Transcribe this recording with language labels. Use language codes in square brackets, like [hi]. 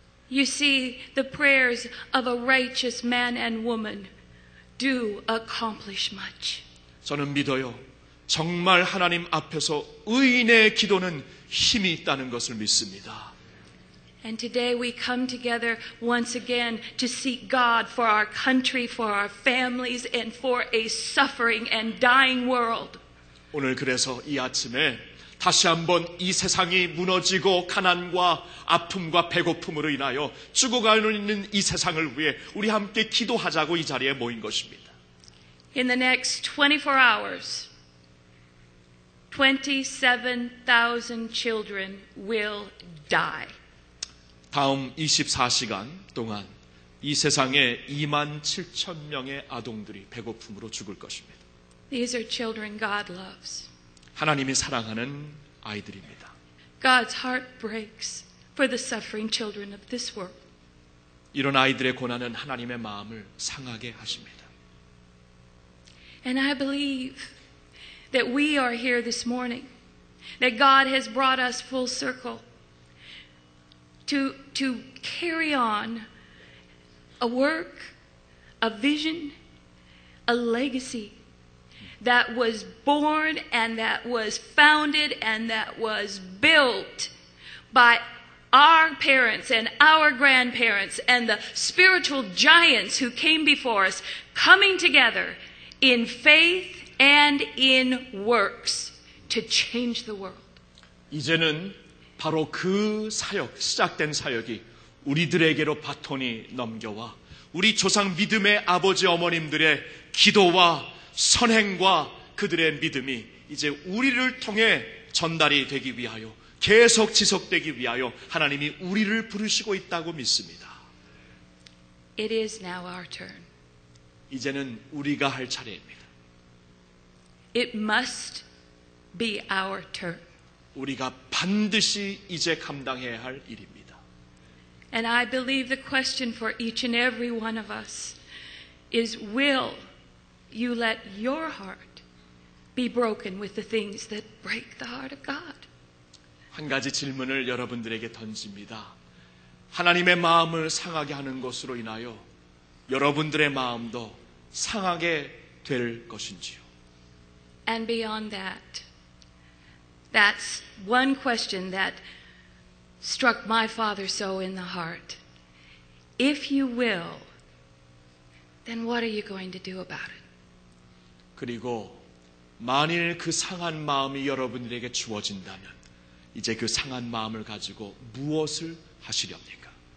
[en] You see, the prayers of a righteous man and woman do accomplish much. [ko] 저는 믿어요. 정말 하나님 앞에서 의인의 기도는 힘이 있다는 것을 믿습니다. [en] And today we come together once again to seek God for our country, for our families, and for a suffering and dying world. [ko] 오늘 그래서 이 아침에 다시 한번 이 세상이 무너지고 가난과 아픔과 배고픔으로 인하여 죽어가고 있는 이 세상을 위해 우리 함께 기도하자고 이 자리에 모인 것입니다. [en] In the next 24 hours, 27,000 children will die. [ko] 다음 24시간 동안 이 세상에 2만 7천 명의 아동들이 배고픔으로 죽을 것입니다. [en] These are children God loves. [ko] 하나님이 사랑하는 아이들입니다. [en] God's heart breaks for the suffering children of this world. [ko] 이런 아이들의 고난은 하나님의 마음을 상하게 하십니다. [en] And I believe that we are here this morning, that God has brought us full circle to carry on a work, a vision, a legacy that was born and that was founded and that was built by our parents and our grandparents and the spiritual giants who came before us coming together in faith and in works to change the world. [ko] 이제는 바로 그 사역, 시작된 사역이 우리들에게로 바톤이 넘겨와 우리 조상 믿음의 아버지 어머님들의 기도와 선행과 그들의 믿음이 이제 우리를 통해 전달이 되기 위하여 계속 지속되기 위하여 하나님이 우리를 부르시고 있다고 믿습니다. [en] It is now our turn. [ko] 이제는 우리가 할 차례입니다. [en] It must be our turn. [ko] 우리가 반드시 이제 감당해야 할 일입니다. [en] And I believe the question for each and every one of us is will you let your heart be broken with the things that break the heart of God. [ko] 한 가지 질문을 여러분들에게 던집니다. 하나님의 마음을 상하게 하는 것으로 인하여 여러분들의 마음도 상하게 될 것인지요. [en] And beyond that, that's one question that struck my father so in the heart. If you will, then what are you going to do about it? [ko] 그리고 만일 그 상한 마음이 여러분들에게 주어진다면 이제 그 상한 마음을 가지고 무엇을 하시렵니까?